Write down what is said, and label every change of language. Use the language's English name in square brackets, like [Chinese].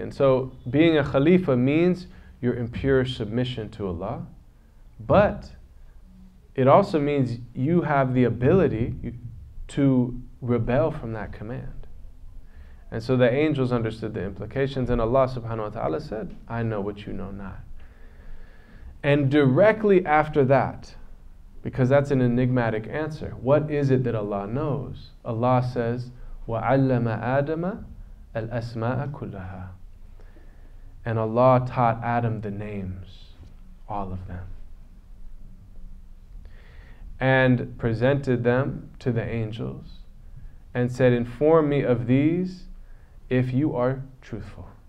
[English] And so, being a Khalifa means you're in pure submission to Allah, but it also means you have the ability to rebel from that command. And so the angels understood the implications, and Allah subhanahu wa ta'ala said, I know what you know not. And directly after that, Because that's an enigmatic answer. What is it that Allah knows? Allah says, [Arabic] وَعَلَّمَ آدَمَ الْأَسْمَاءَ كُلَّهَا. [English] And Allah taught Adam the names, all of them. And presented them to the angels and said, inform me of these if you are truthful.